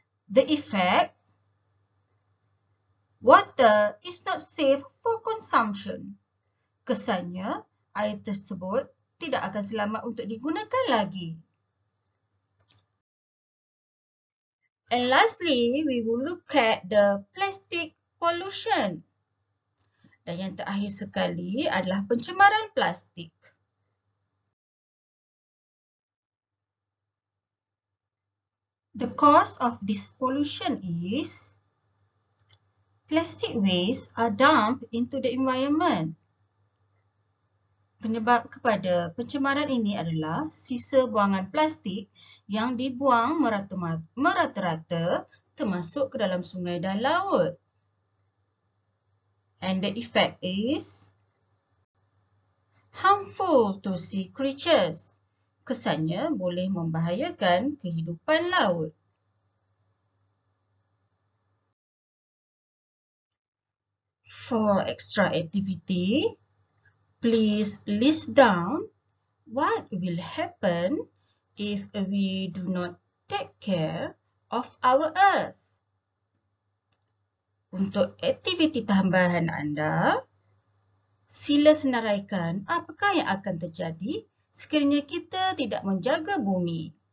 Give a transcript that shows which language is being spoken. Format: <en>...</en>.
<en>The effect: water is not safe for consumption.</en> <ms>Kesannya, air tersebut tidak akan selamat untuk digunakan lagi.</ms> <en>And lastly, we will look at the plastic pollution.</en> <ms>Dan yang terakhir sekali adalah pencemaran plastik.</ms> <en>The cause of this pollution is plastic waste are dumped into the environment.</en> <ms>Penyebab kepada pencemaran ini adalah sisa buangan plastik yang dibuang merata-rata termasuk ke dalam sungai dan laut.</ms> <en>And the effect is harmful to sea creatures.</en> <ms>Kesannya boleh membahayakan kehidupan laut.</ms> <en>For extra activity, please list down what will happen if we do not take care of our earth.</en> <ms>Untuk aktiviti tambahan anda, sila senaraikan apakah yang akan terjadi sekiranya kita tidak menjaga bumi.</ms>